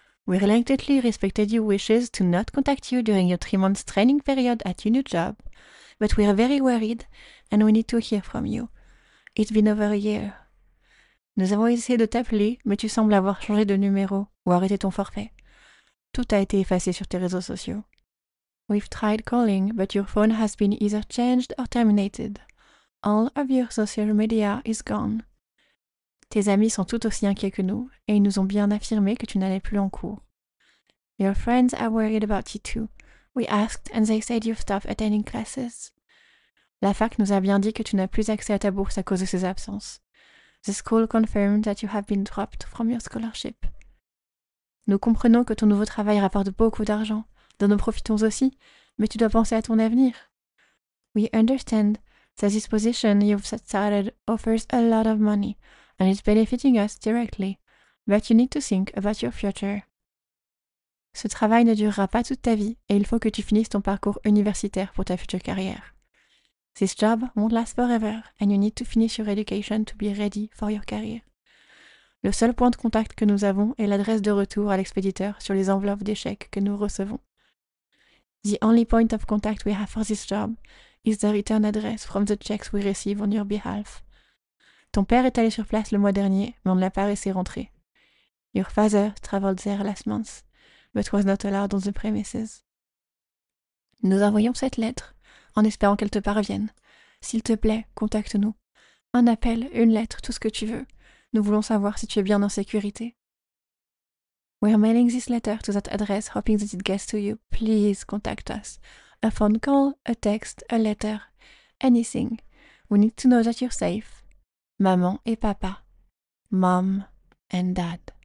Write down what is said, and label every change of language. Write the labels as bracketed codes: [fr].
[en] We reluctantly respected your wishes to not contact you during your 3 months training period at your new job. But we are very worried and we need to hear from you. It's been over a year. [fr] Nous avons essayé de t'appeler, mais tu sembles avoir changé de numéro ou arrêté ton forfait. Tout a été effacé sur tes réseaux sociaux. [en] We've tried calling, but your phone has been either changed or terminated. All of your social media is gone. [fr] Tes amis sont tout aussi inquiets que nous, et ils nous ont bien affirmé que tu n'allais plus en cours. [en] Your friends are worried about you too. We asked, and they said you've stopped attending classes. [fr] La fac nous a bien dit que tu n'as plus accès à ta bourse à cause de ces absences. [en] The school confirmed that you have been dropped from your scholarship. [fr] Nous comprenons que ton nouveau travail rapporte beaucoup d'argent. Nous en profitons aussi, mais tu dois penser à ton avenir. [en] We understand that this position you've started offers a lot of money, and it's benefiting us directly. But you need to think about your future. [fr] Ce travail ne durera pas toute ta vie, et il faut que tu finisses ton parcours universitaire pour ta future carrière. [en] This job won't last forever, and you need to finish your education to be ready for your career. [fr] Le seul point de contact que nous avons est l'adresse de retour à l'expéditeur sur les enveloppes d'échecs que nous recevons. [en] The only point of contact we have for this job is the return address from the checks we receive on your behalf. [fr] Ton père est allé sur place le mois dernier, mais on ne l'a pas laissé rentrer. [en] Your father traveled there last month, but was not allowed on the premises. [fr] Nous envoyons cette lettre en espérant qu'elle te parvienne. S'il te plaît, contacte-nous. Un appel, une lettre, tout ce que tu veux. Nous voulons savoir si tu es bien en sécurité. [en] We are mailing this letter to that address, hoping that it gets to you. Please contact us. A phone call, a text, a letter, anything. We need to know that you're safe. [fr] Maman et papa. [en] Mom and dad.